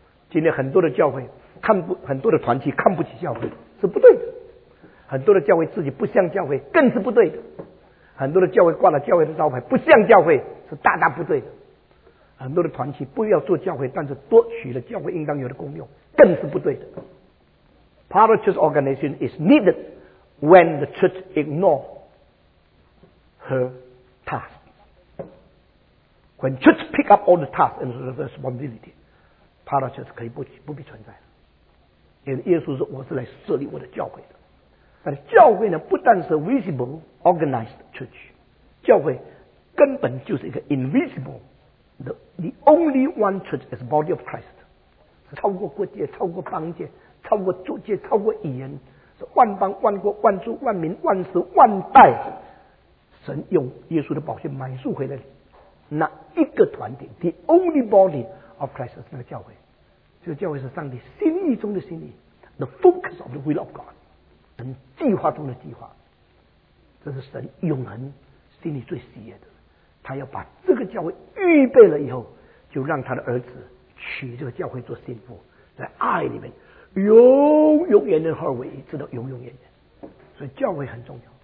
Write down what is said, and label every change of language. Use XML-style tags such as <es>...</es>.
<zh>今天很多的教会看不，很多的团体看不起教会是不对的，很多的教会自己不像教会更是不对的，很多的教会挂了教会的招牌不像教会是大大不对的，很多的团体不要做教会但是多取了教会应当有的功用更是不对的。</zh> <en>Parachurch organization is neededWhen the church ignores her task. When church pick up all the tasks and responsibility, parachurch</en> <zh>可以不必存在了。也是耶稣说我是来设立我的教会的。 But 教会呢, 不但是</zh> <en>visible organized church,</en> <zh>教会根本就是一个</zh> <en>invisible, the only one church as body of Christ,</en> <zh>超过国界, 超过邦界, 超过族界, 超过语言, 万邦万国, 万族, 万民, 万时, 万代, 神用耶稣的宝血买赎回来, 那一个团体,</zh> <en>the only body of Christ,</en> <zh>那个教会, 这个教会是上帝心意中的心意,</zh> <en>the focus of the will of God,</en> <zh>神计划中的计划, 这是神永恒心里最喜悦的, 他要把这个教会预备了以后, 就让他的儿子娶这个教会做信徒, 在爱里面, 永永远的合为, 直到永永远的, 所以教会很重要,</zh>